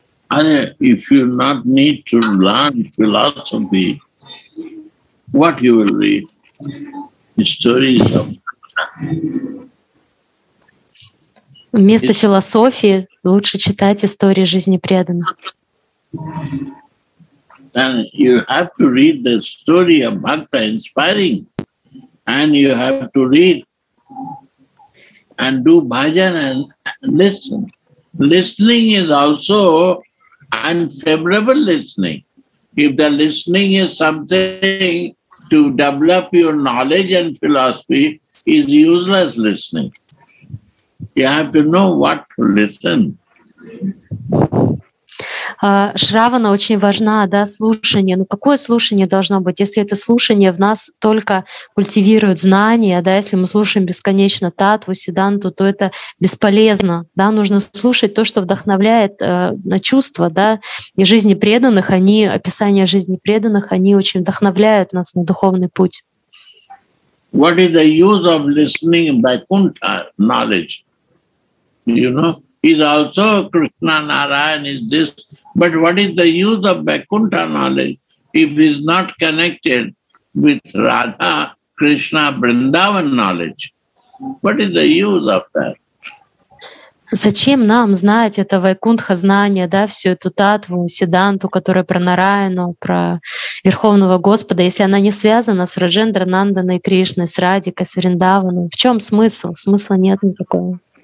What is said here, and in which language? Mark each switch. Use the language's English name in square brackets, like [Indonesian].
[English] If you not need to learn philosophy, what you will read? Stories of... [Russian] Вместо философии лучше читать истории жизни преданных. [English] And you have to read the story of Bhakta inspiring, and you have to read and do bhajan and listen. Listening is also unfavorable listening. If the listening is something to develop your knowledge and philosophy, is useless listening. You have to know what to listen. [Russian] Шравана очень важна, да, слушание. Ну, какое слушание должно быть? Если это слушание в нас только культивирует знания, да, если мы слушаем бесконечно татву, сиданту, то это бесполезно, да, нужно слушать то, что вдохновляет на чувства, да, и жизни преданных, они, описание жизни преданных, они очень вдохновляют нас на духовный путь. [English] What is the use of listening by Kunta knowledge? You know? Is also Krishna Narayan is this, but what is the use of Vaikuntha knowledge if it is not connected with Radha, Krishna, Vrindavan knowledge? What is the use of that? [Russian] Зачем нам знать это Вайкунтха знание, да, всю эту татву, сиданту, которая про Нараяну, про Верховного Господа, если она не связана с Раджендра Нанданой Кришной, с Радикой, с Вриндаваном? В чем смысл? Смысла нет никакого.